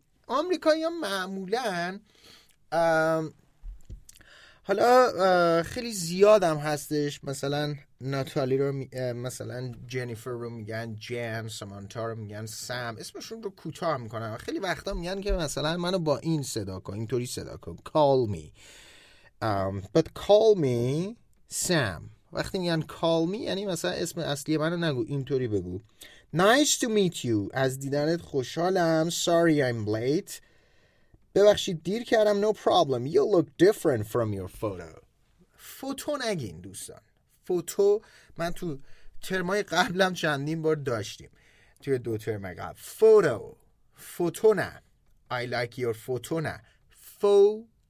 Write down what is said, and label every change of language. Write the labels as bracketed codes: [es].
[fa] آمریکایی‌ها معمولاً حالا خیلی زیاد هم هستش، مثلا ناتالی رو مثلا جنیفر رو میگن جن، سامانتا رو میگن سم، اسمشون رو کوتاه میکنن. خیلی وقتا میگن که مثلا منو با این صدا کن، اینطوری صدا کن، [en] call me but call me Sam. [fa] وقتی میگن call me یعنی مثلا اسم اصلی منو نگو، اینطوری بگو [en] nice to meet you، [fa] از دیدنت خوشحالم، [en] sorry I'm late، [fa] ببخشید دیر کردم، [en] no problem، you look different from your photo. [fa] فوتو نگین دوستان، فوتو من تو ترمای قبلم چندین بار داشتیم، توی دو ترم قبل. فوتو، فوتو نه، [en] I like your photo [fa] نه، فوتو.